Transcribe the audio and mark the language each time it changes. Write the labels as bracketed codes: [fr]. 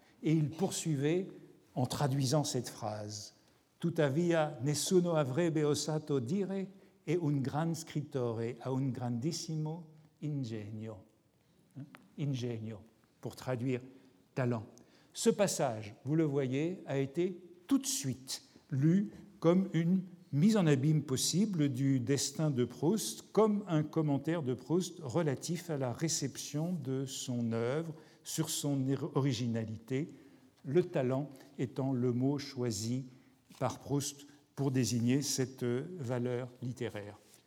[fr] Et il poursuivait en traduisant cette phrase. [it] Tuttavia, nessuno avrebbe osato dire e un gran scrittore ha un grandissimo ingegno. [fr] Ingegno, pour traduire talent. Ce passage, vous le voyez, a été tout de suite lu comme une mise en abîme possible du destin de Proust, comme un commentaire de Proust relatif à la réception de son œuvre sur son originalité, le talent étant le mot choisi par Proust pour désigner cette valeur littéraire.